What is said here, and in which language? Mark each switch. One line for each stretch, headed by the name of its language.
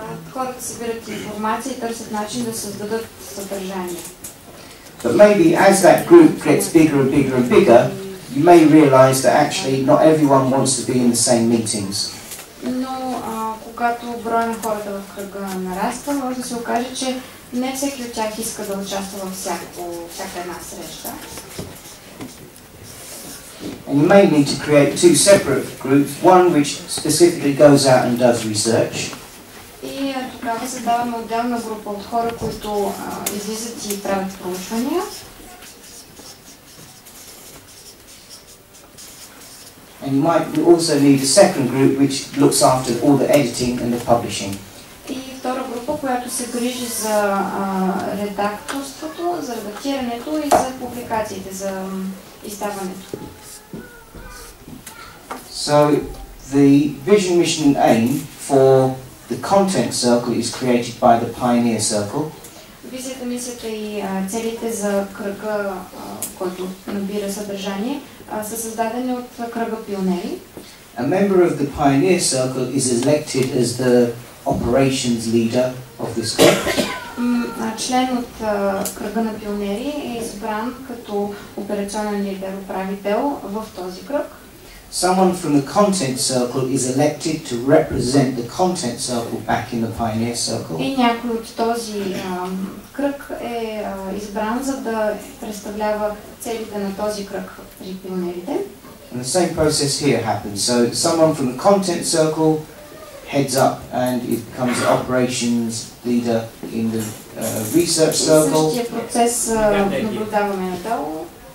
Bulgarian: Хората събират информация и търсят начин да създадат съдържание.
English: But maybe as that group gets bigger and bigger and bigger, you may realize that actually not everyone wants to be in the same meetings.
Bulgarian: Но когато броя на хората в кръга нараства, може да се окаже, че не всеки от тях иска да участва във всяка една среща.
English: And you may need to create two separate groups, one which specifically goes out and does research.
Bulgarian: И тогава създаваме отделна група от хора, които излизат и правят проучвания.
English: And you might also need a second group which looks after all the editing and the publishing.
Bulgarian: И втора група, която се грижи за редакторството, за редактирането и за публикациите, за издаването.
English: So the vision, mission and aim for The content circle is created by the pioneer circle.
Bulgarian: Визията, мисията и целите за кръга, който набира съдържание, са създадени от кръга пионери.
English: A member of the pioneer circle is elected as the operations leader of this group.
Bulgarian: Член от кръга на пионери е избран като операционен лидер, управител в този кръг.
English: Someone from the content circle is elected to represent the content circle back in the pioneer circle.
Bulgarian: И някой от този кръг е избран, за да представлява целите на този кръг при пионерите.
English: And the same process here happens. So someone from the content circle heads up and it becomes the operations leader in the research circle.
Bulgarian: Същия процес наблюдаваме надолу.